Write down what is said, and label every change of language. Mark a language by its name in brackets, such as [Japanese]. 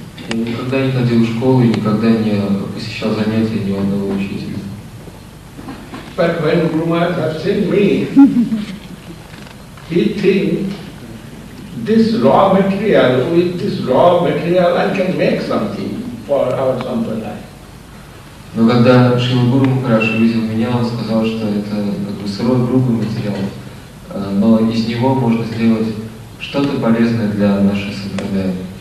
[Russian] Я никогда не ходил в школу и никогда не посещал занятия ни у одного учителя. [English] But when Guru Maharaj has seen me, he thinks with this raw material I can make something for our sampradaya. [Russian] Но когда Шрила Гуру Махарадж увидел меня, он сказал, что это как бы сырой грубый материал, но из него можно сделать что-то полезное для нашей сампрадаи.